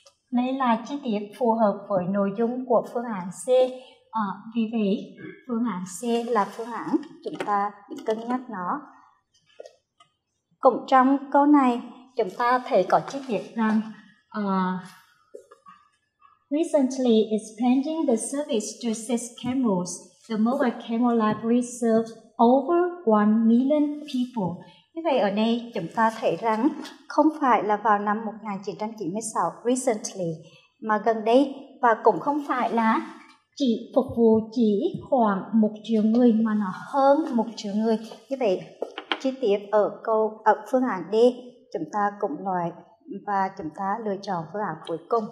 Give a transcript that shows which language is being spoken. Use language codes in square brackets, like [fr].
[vi] Đây là chi tiết phù hợp với nội dung của phương án C. Vì vậy, phương án C là phương án chúng ta cân nhắc nó. Cũng trong câu này, chúng ta thấy có chi tiết rằng [en] recently expanding the service to six camels, the mobile camel library serves over 1 million people. [vi] Như vậy ở đây chúng ta thấy rằng không phải là vào năm 1996 recently, mà gần đây, và cũng không phải là chỉ phục vụ chỉ khoảng 1 triệu người, mà nó hơn 1 triệu người. Như vậy chi tiết ở phương án D chúng ta cùng loại, và chúng ta lựa chọn phương án cuối cùng